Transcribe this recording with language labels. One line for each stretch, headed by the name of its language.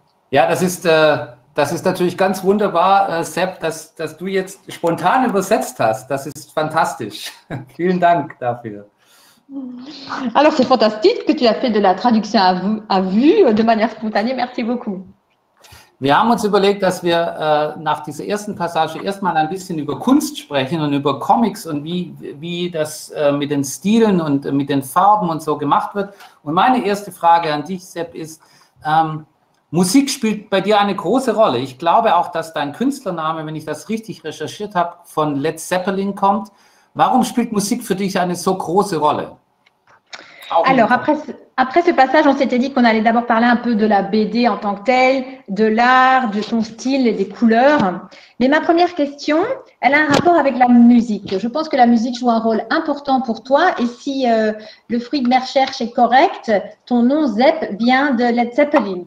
German: Ja, das ist natürlich ganz wunderbar, Sepp, dass du jetzt spontan übersetzt hast. Das ist fantastisch. Vielen Dank dafür.
French: Alors, c'est fantastique que tu as fait de la traduction à vue de manière spontanée. Merci beaucoup.
German: Wir haben uns überlegt, dass wir nach dieser ersten Passage erstmal ein bisschen über Kunst sprechen und über Comics und wie das mit den Stilen und mit den Farben und so gemacht wird. Und meine erste Frage an dich, Sepp, ist, Musik spielt bei dir eine große Rolle. Ich glaube auch, dass dein Künstlername, wenn ich das richtig recherchiert habe, von Led Zeppelin kommt. Warum spielt Musik für dich eine so große Rolle?
French: Alors, après ce passage, on s'était dit qu'on allait d'abord parler un peu de la BD en tant que telle, de l'art, de ton style et des couleurs. Mais ma première question, elle a un rapport avec la musique. Je pense que la musique joue un rôle important pour toi. Et si le fruit de mes recherches est correct, ton nom Zepp vient de Led Zeppelin.